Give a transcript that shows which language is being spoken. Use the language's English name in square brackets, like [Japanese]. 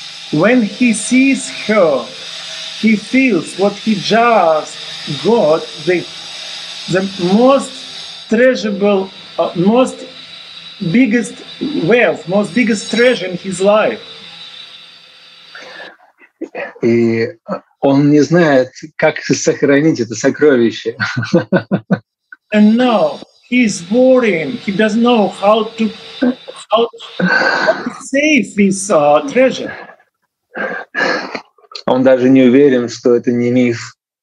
[English] When he sees her, he feels what he just got, the most treasurable, most biggest wealth, most biggest treasure in his life. [Russian] И он не знает, как сохранить это сокровище. [English] And now he's worrying. He doesn't know how to save his treasure. [Russian] Он даже не уверен, что это не миф.